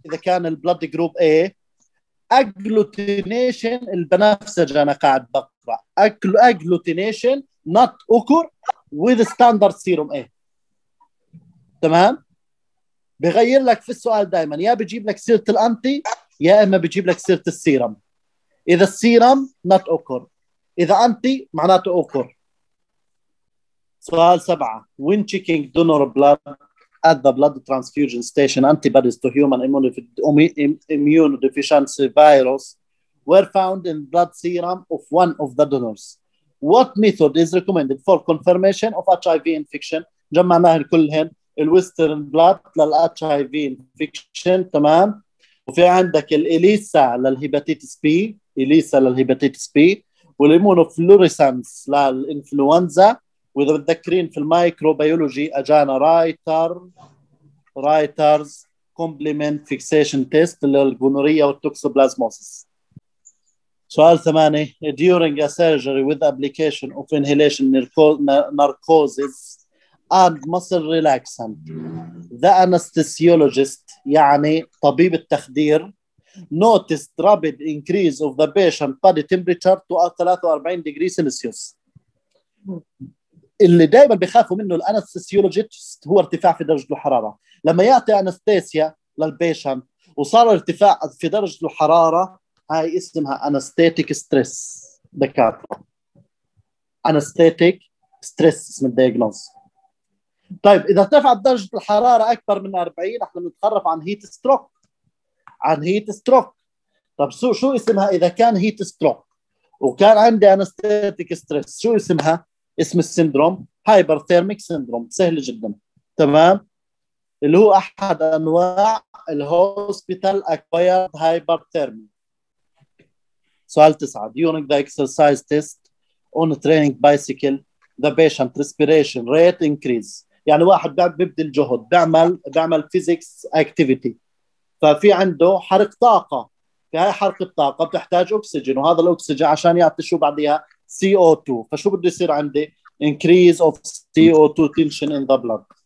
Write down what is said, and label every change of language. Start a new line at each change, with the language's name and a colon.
Arabic: اذا كان
English: البلد group A agglutination
Arabic: البنفسج انا قاعد بقرا
English: agglutination not occur with standard serum A,
Arabic: تمام. بغير لك في السؤال دائما يا بيجيب لك سيره الانتي يا اما بيجيب لك سيره السيرم. اذا السيرم نوت اوكر، اذا انتي معناته اوكر.
English: سؤال 7 when checking donor blood at the blood transfusion station antibodies to human immune deficiency virus were found in blood serum of one of the donors what method is recommended for confirmation of HIV infection.
Arabic: جمعناها كلهن الويسترن بلاد للـ HIV infection، تمام، وفي عندك الإليسا للهيباتيتس بي، إليسا للهيباتيتس بي، والإيمونوفلوريسانس للإنفلونزا، وإذا بتذكرين في المايكروبيولوجي أجانا رايترز كومبليمنت فيكسيشن تيست للجونورية والتوكسوبلازموسس.
English: سؤال 8 during a surgery with application of inhalation narcosis and muscle relaxant the anesthesiologist
Arabic: يعني طبيب التخدير
English: noticed rapid increase of the patient body temperature to 43 degrees Celsius.
Arabic: اللي دائما بيخافوا منه الانستسيولوجيست هو ارتفاع في درجة الحرارة. لما يعطي انستيسيا للبيشنت وصار ارتفاع في درجة الحرارة هاي اسمها anesthetic stress دكاترة. anesthetic stress اسم الدياجنوز. طيب اذا ارتفعت درجه الحراره اكبر من 40 احنا بنتخرف عن هيت ستروك، عن هيت ستروك. طب شو اسمها اذا كان هيت ستروك وكان عندي انستاتيك ستريس؟ شو اسمها؟ اسم السندروم هايبرثيرميك سندروم، سهل جدا، تمام، اللي هو احد انواع الهوسبيتال اكوايرد هايبرثيرمي.
English: سؤال 9 during the exercise test on a training bicycle the patient respiration rate increase.
Arabic: يعني واحد بيبذل جهد بيعمل فيزيكس اكتيفيتي ففي عنده حرق طاقه، في هاي حرق الطاقه بتحتاج اكسجين وهذا الاكسجين عشان يعطي شو بعديها CO2، فشو بده يصير عندي
English: Increase of CO2 tension in the blood.